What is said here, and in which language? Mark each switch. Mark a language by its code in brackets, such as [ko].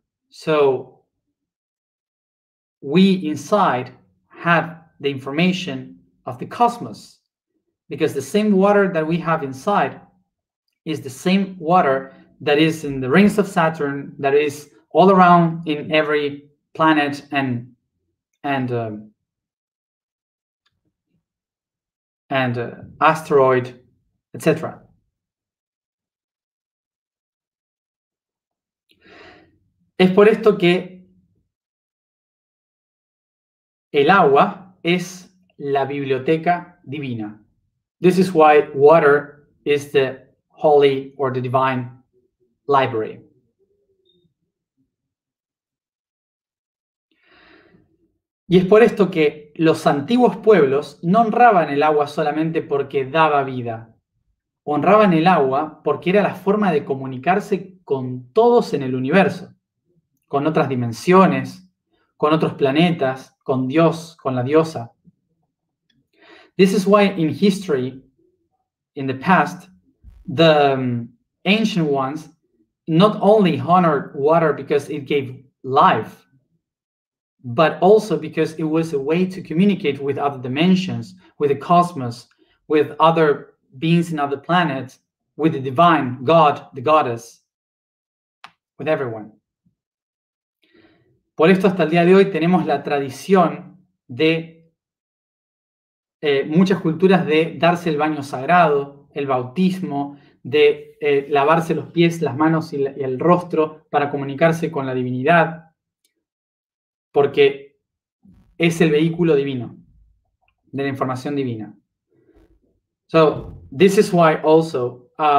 [en] So we inside have the information of the cosmos, because the same water that we have inside is the same water that is in the rings of Saturn, that is all around in every planet and asteroid, etc. [es] Es por esto que el agua es la biblioteca divina. [en] This is why water is the holy or the divine library. [es] Y es por esto que los antiguos pueblos no honraban el agua solamente porque daba vida. Honraban el agua porque era la forma de comunicarse con todos en el universo, con otras dimensiones, con otros planetas, con Dios, con la diosa. [en] This is why in history, in the past, the ancient ones not only honored water because it gave life, but also because it was a way to communicate with other dimensions, with the cosmos, with other beings in other planets, with the divine, God, the goddess, with everyone. [es] Por esto, hasta el día de hoy, tenemos la tradición de muchas culturas de darse el baño sagrado, el bautismo, de lavarse los pies, las manos y el rostro para comunicarse con la divinidad, porque es el vehículo divino, de la información divina. [en] So, this is why also